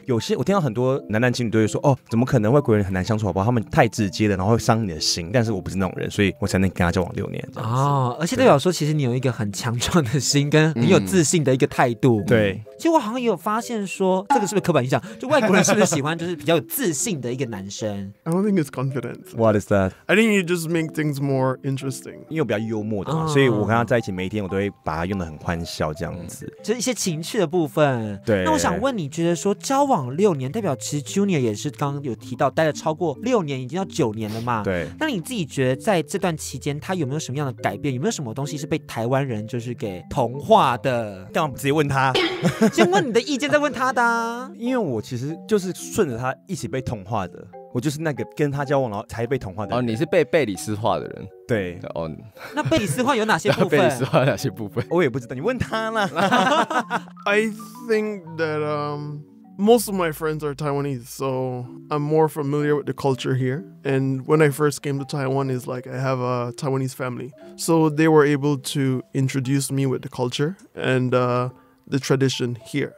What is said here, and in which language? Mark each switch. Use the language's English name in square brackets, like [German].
[Chinese] 有些我听到很多男男情侣都会说哦怎么可能，外国人很难相处好不好，他们太直接了然后会伤你的心，但是我不是那种人，所以我才能跟他交往六年。哦，而且代表说其实你有一个很强壮的心跟很有自信的一个态度、嗯、对。其实我好像也有发现说这个是不是刻板印象，就外国人是不是喜欢就是比较有自信的一个男生。 [English] I don't think it's confidence. What is that? I think you just make things more interesting. [Chinese] 因为我比较幽默的嘛、所以我跟他在一起每一天我都会把他用得很欢笑这样子、就是一些情趣的部分。对，那我想问你，觉得说交往六年代表其实 Junior 也是刚刚有提到待了超过六年，已经要九年了嘛。对，那你自己觉得在这段期间他有没有什么样的改变，有没有什么东西是被台湾人就是给同化的？干嘛不直接问他先问你的意见再问他的、因为我其实就是顺着他一起被同化的，我就是那个跟他交往然后才被同化的人。哦，你是被贝里斯化的人。对哦，那贝里斯化有哪些部分？贝里斯化有哪些部分我也不知道，你问他啦。 [English] I think that most of my friends are Taiwanese, so I'm more familiar with the culture here. And when I first came to Taiwan, it's like I have a Taiwanese family, so they were able to introduce me with the culture andthe tradition here.